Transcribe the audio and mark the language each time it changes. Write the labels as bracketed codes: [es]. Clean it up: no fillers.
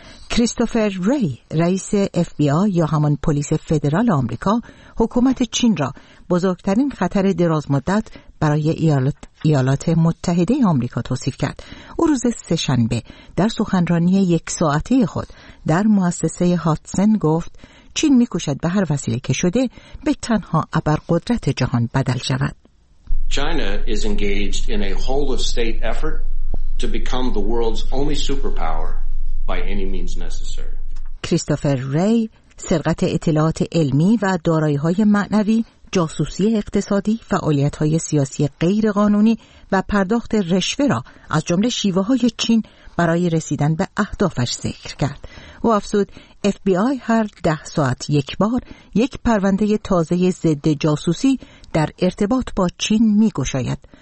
[fa] کریستوفر ری، رئیس FBI یا همان پلیس فدرال آمریکا، حکومت چین را بزرگترین خطر درازمدت برای ایالات متحده آمریکا توصیف کرد. او روز سه‌شنبه در سخنرانی یک ساعته خود در مؤسسه هاتسن گفت چین می‌کوشد به هر وسیله که شده به تنها ابرقدرت جهان بدل شود. [en] China is engaged in a whole of state effort to become the world's only superpower by any means necessary. [fa] کریستوفر ری، سرقت اطلاعات علمی و دارایی‌های معنوی، جاسوسی اقتصادی، فعالیت‌های سیاسی غیر قانونی و پرداخت رشوه را از جمله شیوه‌های چین برای رسیدن به اهدافش ذکر کرد. او افزود FBI هر 10 ساعت یک بار یک پرونده تازه ضد جاسوسی در ارتباط با چین می‌گشاید.